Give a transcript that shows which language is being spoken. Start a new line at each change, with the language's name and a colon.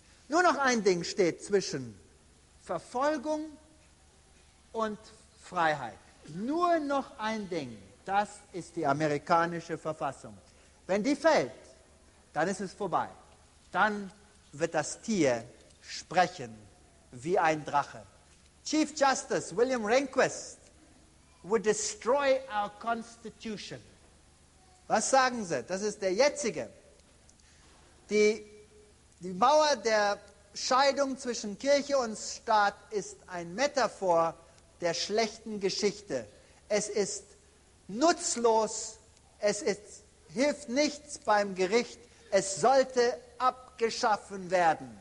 German: Nur noch ein Ding steht zwischen Verfolgung und Freiheit. Nur noch ein Ding, das ist die amerikanische Verfassung. Wenn die fällt, dann ist es vorbei. Dann wird das Tier sprechen wie ein Drache.
English: Chief Justice William Rehnquist would destroy our Constitution.
German: Was sagen Sie? Das ist der jetzige. Die Mauer der Scheidung zwischen Kirche und Staat ist ein Metaphor der schlechten Geschichte. Es ist nutzlos, hilft nichts beim Gericht, es sollte abgeschaffen werden.